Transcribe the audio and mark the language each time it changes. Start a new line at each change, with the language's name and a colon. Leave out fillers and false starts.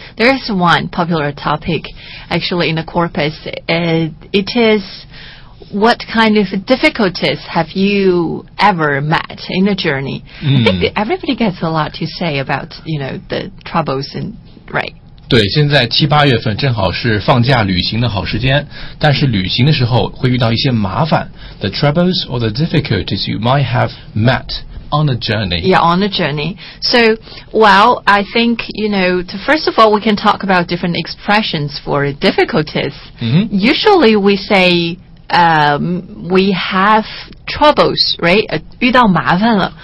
English: There is one popular topic actually in the corpus. It is what kind of difficulties have you ever met in a journey? I think everybody gets a lot to say about, you know, the troubles and, right?
Chinese: 对，现在七八月份正好是放假旅行的好时间，但是旅行的时候会遇到一些麻烦。
English: The troubles or the difficulties you might have met on the journey. Yeah, on the journey. So, well, I think, you know, first of all, we can talk about different expressions for difficulties. Mm-hmm. Usually we say, we have troubles, right?
Chinese: 遇到麻烦了。